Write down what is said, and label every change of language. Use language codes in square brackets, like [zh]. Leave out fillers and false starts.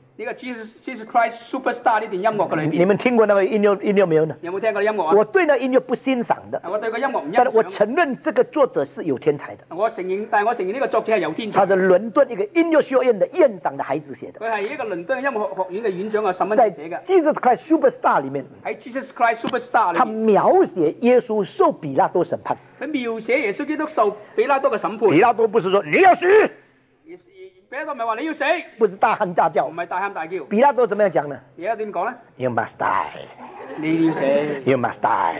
[zh] 这个 Jesus Christ Superstar 这段音乐里面，你们听过那个音乐没有呢？有没有听过音乐？我对那音乐不欣赏的，我对个音乐不欣赏，但是我承认这个作者是有天才的。但我承认这个作者是有天才。他是伦敦一个音乐学院的院长的孩子写的，他是一个伦敦音乐学院的院长什么写的。在 Jesus Christ Superstar 里面，在 Jesus Christ Superstar 里面，他描写耶稣受比拉多审判，他描写耶稣基督受比拉多的审判。比拉多不是说你要死，比拉多不是说你要死，不是大喊大叫，不是大喊大叫。比拉多怎么样讲呢？比拉多怎么讲呢？ [en] You must die， [zh] 你要死。 [en] You must die，